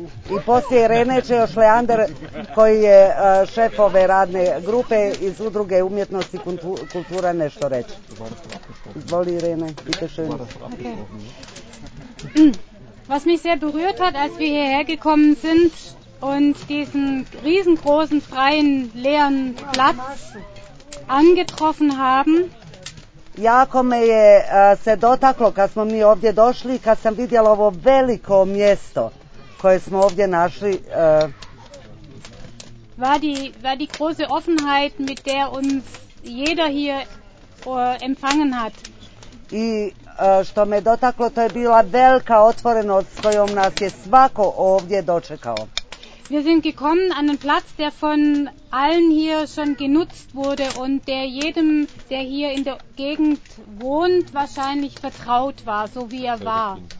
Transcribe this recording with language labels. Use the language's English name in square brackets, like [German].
[Bosnian] I poslije Irene će još Leander, koji je šef ove radne grupe iz udruge umjetnosti i kultura, nešto reći. Izvoli Irene, [German] bitte schön. Was mich sehr berührt hat, als wir hierher gekommen sind und diesen riesengroßen freien leeren Platz angetroffen haben, [Bosnian] Jako me je se dotaklo kad smo mi ovdje došli i kad sam vidjela ovo veliko mjesto koje smo ovdje našli. [German] War die große Offenheit, mit der uns jeder hier empfangen hat. [Bosnian] I što me dotaklo, to je bila velika otvorenost kojom nas je svako ovdje dočekao. [German] Wir sind gekommen an einen Platz, der von allen hier schon genutzt wurde und der jedem, der hier in der Gegend wohnt, wahrscheinlich vertraut war, so wie er war.